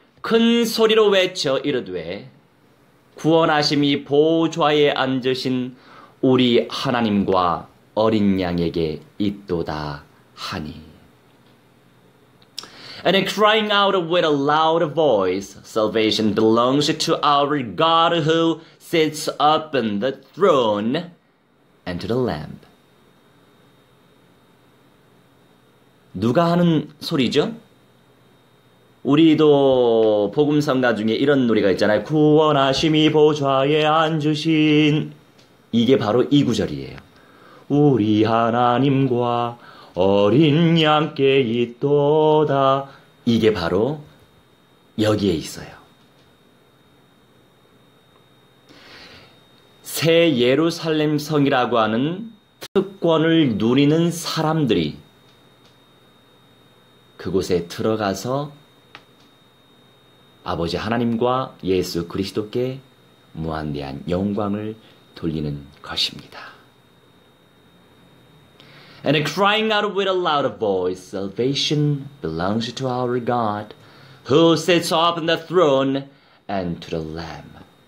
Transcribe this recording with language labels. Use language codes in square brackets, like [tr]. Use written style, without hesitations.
[ko] 큰 소리로 외쳐 이르되 구원하심이 보좌에 앉으신 우리 하나님과 어린 양에게 있도다 하니. [en] And crying out with a loud voice, salvation belongs to our God who sits upon the throne and to the Lamb. [ko] 누가 하는 소리죠? 우리도 복음성가 중에 이런 노래가 있잖아요. 구원하심이 보좌에 앉으신. 이게 바로 이 구절이에요. 우리 하나님과 어린 양께 있도다. 이게 바로 여기에 있어요. 새 예루살렘 성이라고 하는 특권을 누리는 사람들이 그곳에 들어가서 아버지 하나님과 예수 그리스도께 무한대한 영광을 돌리는 것입니다. [en] And crying out with a loud voice, salvation belongs to our God, who sits upon the throne and to the Lamb.